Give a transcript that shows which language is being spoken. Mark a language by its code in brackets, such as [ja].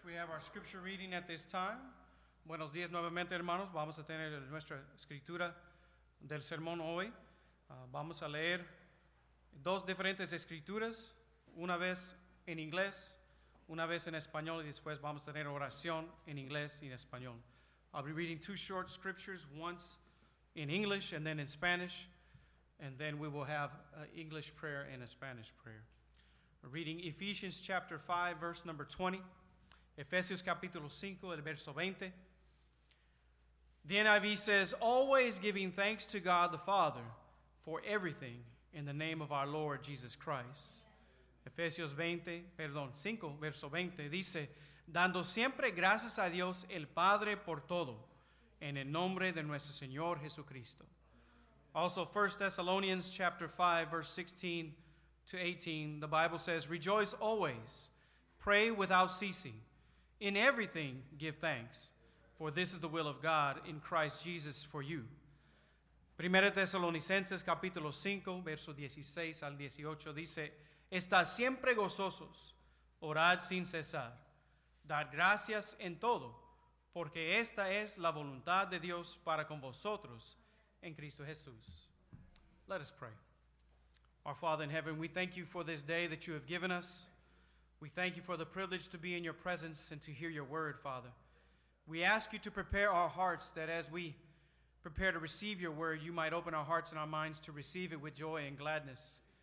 [en] We have our scripture reading at this time. [es] Buenos días nuevamente, hermanos. Vamos a tener nuestra escritura del sermón hoy. Vamos a leer dos diferentes escrituras, una vez en inglés, una vez en español, y después vamos a tener oración en inglés y en español. [en] I'll be reading two short scriptures, once in English and then in Spanish, and then we will have an English prayer and a Spanish prayer. We're reading Ephesians chapter 5, verse number 20, [es] Efesios capítulo 5, el verso 20. [en] The NIV says, always giving thanks to God the Father for everything in the name of our Lord Jesus Christ. [es] Efesios 5, verso 20, dice, dando siempre gracias a Dios el Padre por todo, en el nombre de nuestro Señor Jesucristo. [en] Also, 1 Thessalonians chapter 5, verse 16 to 18, the Bible says, rejoice always, pray without ceasing, in everything give thanks, for this is the will of God in Christ Jesus for you. [es] 1 Tesalonicenses capítulo 5, verso 16 al 18, dice, estad siempre gozosos, orad sin cesar, dad gracias en todo, porque esta es la voluntad de Dios para con vosotros en Cristo Jesús. [en] Let us pray. Our Father in heaven, we thank you for this day that you have given us. We thank you for the privilege to be in your presence and to hear your word, Father. We ask you to prepare our hearts that as we prepare to receive your word, you might open our hearts and our minds to receive it with joy and gladness.